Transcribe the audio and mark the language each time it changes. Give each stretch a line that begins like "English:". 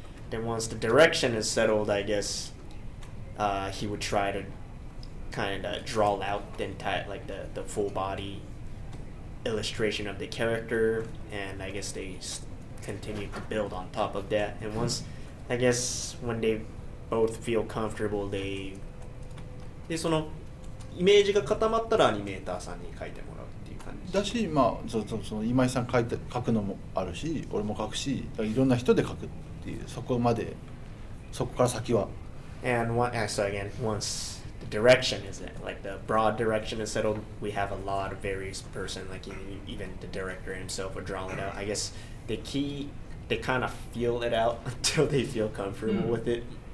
English: Then once the direction is settled, I guess he would try to kind of draw out the entire, like the full body illustration of the character, and I guess they continue to build on top of that. And once, I guess, when they both feel comfortable, they...
Japanese: で、そのイメージが固まったらアニメーターさんに描いてもらうっていう感じだし、まあ、その今井さん描いて、描くのもあるし、俺も描くし、いろんな人で描くっていう、そこまで、そこから先は。
English: And one, so again, once... The direction is it like the broad direction is settled. We have a lot of various person, like even the director himself, are drawing it out. I guess the key, they kind of feel it out until they feel comfortable with it.